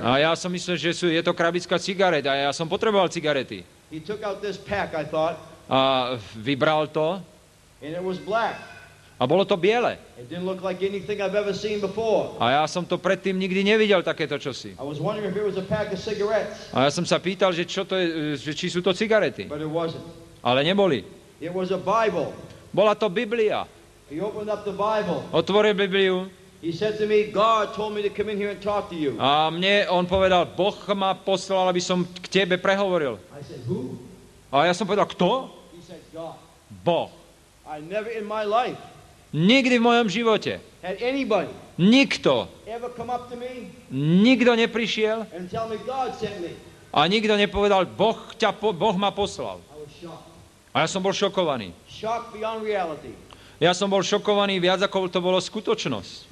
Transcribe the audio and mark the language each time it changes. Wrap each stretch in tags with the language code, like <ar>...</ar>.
<sk>A ja som myslel, že je to krabička cigaret a ja som potreboval cigarety.</sk> <en>He took out this pack, I thought.</en> <sk>A vybral to.</sk> <en>And it was black.</en> <sk>A bolo to biele.</sk> <en>It didn't look like anything I've ever seen before.</en> <sk>A ja som to predtým nikdy nevidel takéto čosi.</sk> <en>I was wondering if it was a pack of cigarettes.</en> <sk>A ja som sa pýtal, že čo to je, či sú to cigarety.</sk> <en>But it wasn't.</en> <sk>Ale neboli.</sk> <en>It was a Bible.</en> <sk>Bola to Biblia.</sk> <en>He opened up the Bible.</en> <sk>Otvoril Bibliu.</sk> <en>He said to me, God told me to come in here and talk to you.</en> <sk>A mne on povedal, Boh ma poslal, aby som k tebe prehovoril.</sk> <en>I said, who?</en> <sk>A ja som povedal, kto?</sk> <en>He said, God.</en> <sk>Boh.</sk> <en>I never in my life.</en> <sk>Nikdy v mojom živote.</sk> <en>Had anybody.</en> <sk>Nikto.</sk> <en>Ever come up to me.</en> <sk>Nikto neprišiel.</sk> <en>And tell me God sent me.</en> <sk>A nikto nepovedal, Boh ma poslal.</sk> <en>I was shocked.</en> <sk>A ja som bol šokovaný.</sk> <en>Shocked beyond reality.</en> <sk>Ja som bol šokovaný viac, ako to bolo skutočnosť.</sk>